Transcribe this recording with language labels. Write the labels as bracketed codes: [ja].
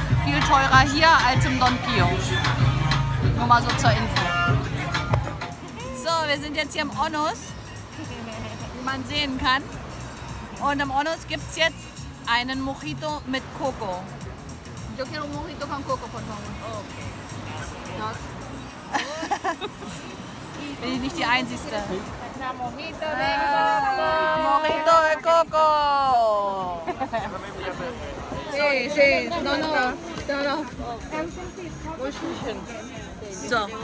[de] viel teurer hier als im Don Pio. Nur mal so zur Info. So, wir sind jetzt hier im Onus, wie man sehen kann. Und im Onus gibt es jetzt einen Mojito mit Coco. [es] Yo quiero un Mojito con Coco, por favor. Okay. [de] Bin ich nicht die Einzige. [es] Mojito de coco. Sí, sí. No. [de] So.